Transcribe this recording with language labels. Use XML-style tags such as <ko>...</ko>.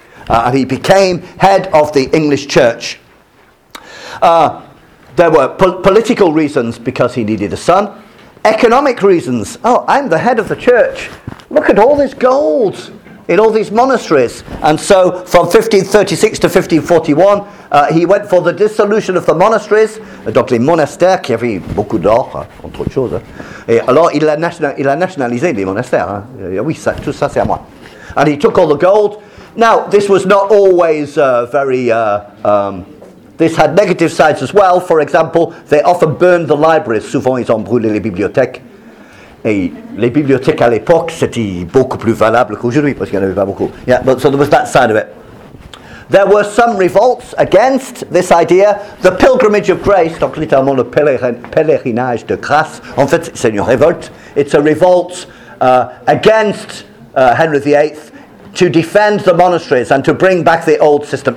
<en>And he became head of the English church. There were political reasons, because he needed a son. Economic reasons. Oh, I'm the head of the church. Look at all this gold in all these monasteries. And so from 1536 to 1541, he went for the dissolution of the monasteries.</en> <fr>Donc les monastères qui avaient beaucoup d'or, entre autres choses. Et alors il a nationalisé les monastères. Hein. Oui, ça, tout ça c'est à moi.</fr> <en>And he took all the gold. Now, this was not always this had negative sides as well. For example, they often burned the libraries.</en> <fr>Souvent, ils ont brûlé les bibliothèques. Et les bibliothèques à l'époque, c'était beaucoup plus valable qu'aujourd'hui, parce qu'il n'y en avait pas beaucoup.</fr> <en>Yeah, but so there was that side of it. There were some revolts against this idea.</en> <fr>The Pilgrimage of Grace, donc littéralement le pèlerinage de grâce, en fait, c'est une révolte.</fr> <en>It's a revolt against Henry VIII to defend the monasteries and to bring back the old system.</en>